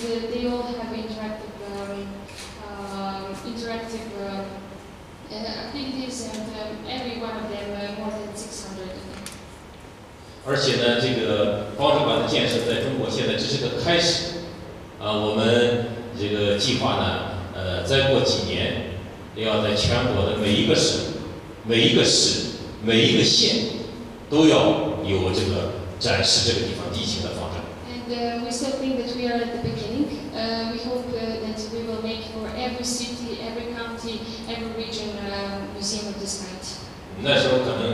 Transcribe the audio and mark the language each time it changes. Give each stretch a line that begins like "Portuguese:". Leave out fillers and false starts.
English: They all have interactive activities, and every one of them more than 600.
Chinese: 而且呢，这个方志馆的建设在中国现在只是个开始，我们。这个计划呢，再过几年，要在全国的每一个市、每一个市、每一个县，都要有这个展示这个地方地形的方阵。And
English: we still think that we are at the beginning. We hope that we will make for every city, every county, every region museum of this kind.